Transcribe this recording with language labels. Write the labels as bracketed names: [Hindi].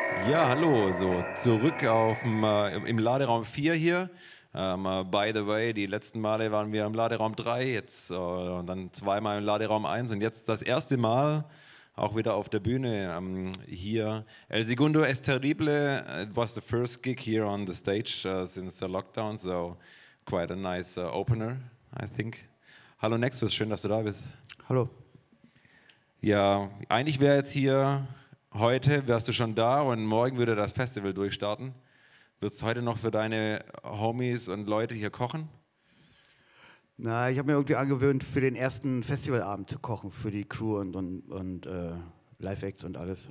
[German] Ja, hallo, so zurück auf im Laderaum 4 hier. [English] By the way, [German] die letzten Male waren wir im Laderaum 3, jetzt und dann zweimal im Laderaum 1 und jetzt das erste Mal auch wieder auf der Bühne hier. [Spanish] El Segundo es terrible, [English] it was the first gig here on the stage since the lockdown, so quite a nice opener, I think. [German] Hallo Nexus, schön, dass du da bist. Hallo. Ja, eigentlich wäre jetzt hier heute, wärst du schon da und morgen würde das Festival durchstarten. Würdest du heute noch für deine Homies und Leute hier kochen? Na, ich habe mir irgendwie angewöhnt, für den ersten Festivalabend zu kochen, für die Crew und Live-Acts und alles.